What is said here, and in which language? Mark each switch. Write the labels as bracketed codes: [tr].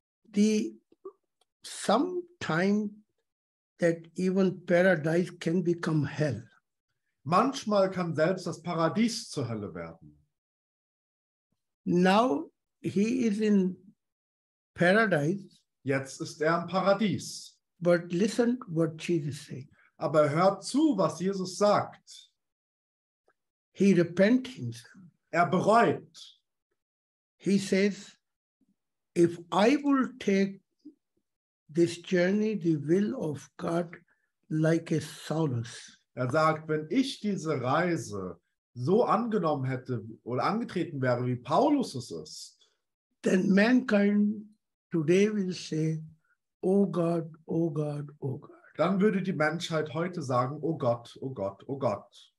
[en] The sometime that even paradise can become hell. [de] Manchmal kann selbst das Paradies zur Hölle werden. [en] Now he is in paradise. [de] Jetzt ist er im Paradies. [en] But listen what Jesus said. [de] Aber hört zu, was Jesus sagt. [en] He repent himself. [de] Er bereut. [en] He says, if I will take this journey, the will of God, like a Saulus. [de] Er sagt, wenn ich diese Reise so angenommen hätte oder angetreten wäre, wie Paulus es ist, [en] then mankind today will say, oh God, oh God, oh God. [de] Dann würde die Menschheit heute sagen, oh Gott, oh Gott, oh Gott.